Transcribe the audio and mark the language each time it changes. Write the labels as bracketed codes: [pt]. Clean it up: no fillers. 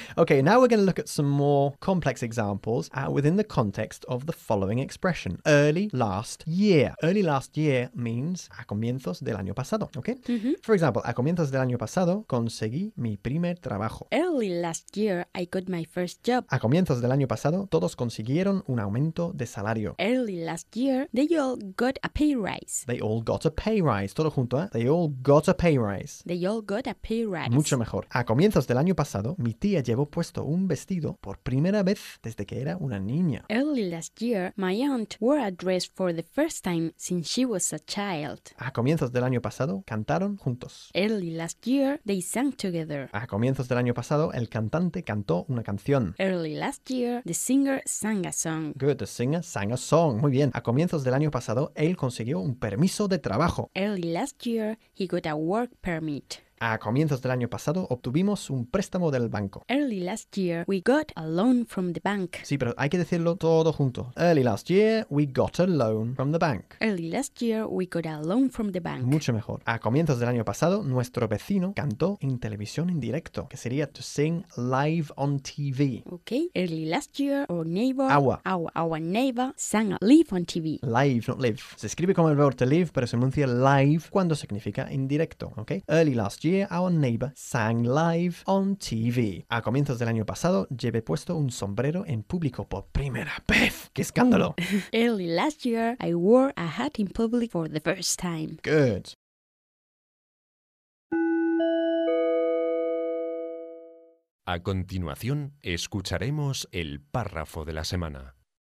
[en] Okay, now we're going to look at some more complex examples within the context of the following expression. Early last year. Early last year means [es] a comienzos del año pasado. [en] Okay? Mm-hmm. For example, [es] a comienzos del año pasado conseguí mi primer trabajo. [en] Early last year, I got my first job. [es] A comienzos del año pasado, todos consiguieron un aumento de salario. [en] Early last year, they all got a pay rise. They all got a pay rise. [es] Todo junto, ¿eh? [en] They all got a pay rise. They all got a pay rise. [es] Mucho mejor. A comienzos del año pasado, mi tía llevó puesto un vestido por primera vez desde que era una niña. [en] Early last year, my aunt wore a dress for the first time since she was a child. [es] A comienzos del año pasado, cantaron juntos. [en] Early last year, they sang together. [es] A comienzos del año pasado, el cantante cantó una canción. [en] Early last year, the singer sang a song. Good. The singer sang a song. [es] Muy bien. A comienzos del año pasado, él consiguió un permiso de trabajo. [en] Early last year, he got a work permit. [es] A comienzos del año pasado obtuvimos un préstamo del banco. [en] Early last year, we got a loan from the bank. [es] Sí, pero hay que decirlo todo junto. [en] Early last year, we got a loan from the bank. Early last year, we got a loan from the bank. [es] Mucho mejor. A comienzos del año pasado, nuestro vecino cantó en televisión en directo, que sería [en] to sing live on TV. Okay, early last year, our neighbor... Our neighbor sang live on TV. Live, not live. [es] Se escribe como el verbo to live, pero se pronuncia live cuando significa en directo, okay? [en] Early last year, our neighbor sang live on TV. [es] A comienzos del año pasado, llevé puesto un sombrero en público por primera vez. ¡Qué escándalo! [en] Early last year, I wore a hat in public for the first time. Good. [es] A continuación, escucharemos el párrafo de la semana.